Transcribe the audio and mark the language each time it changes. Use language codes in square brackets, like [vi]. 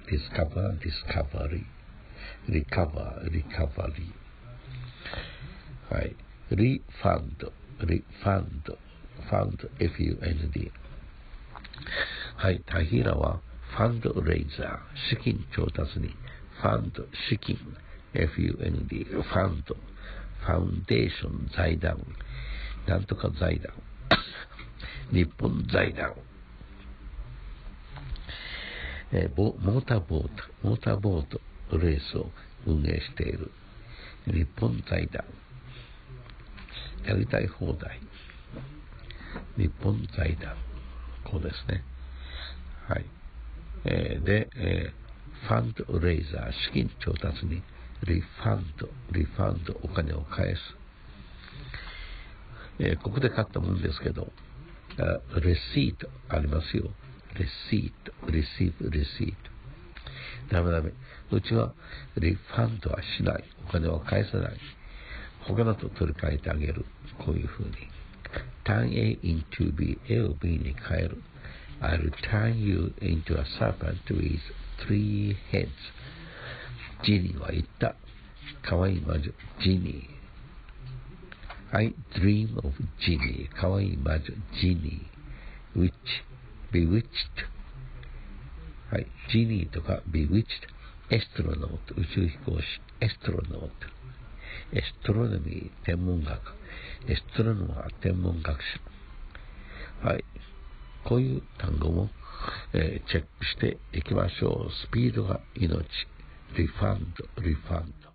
[en] Discover, discovery. Recover, recovery. [ja] はい。 [en] Refund, refund, fund, F-U-N-D. [ja] はい。タヒーラは、 [en] fundraiser, [ja] 資金調達に。 [en] Fund, [ja] 資金、 [en] F-U-N-D. Fund, foundation, [ja] 財団。なんとか財団。日本財団、モーターボート、モーターボートレースを運営している日本財団、やりたい放題、日本財団、こうですね。はい。で、ファンドレイザー、資金調達にリファンド、リファンド、お金を返す。ここで買ったもんですけど、レシートありますよ。レシート、レシート、レシート。ダメダメ。うちはリファンドはしない。お金は返さない。他だと取り替えてあげる。こういうふうに。 [en] Turn A into B、 [ja] A を B に変える。 [en] I'll turn you into a serpent with three heads。 [ja] ジニーは言った。かわいい魔女、ジニー。 [en] I dream of genie, [ja] かわいい魔女 [en] genie, witch, bewitched. [ja] はい、 [en] genie とか bewitched, astronaut, [ja] 宇宙飛行士 [en] astronaut, astronomy, [ja] 天文学 [en] astronomer, [ja] 天文学者。はい、こういう単語も、チェックしていきましょう。スピードが命。 [en] refund, refund.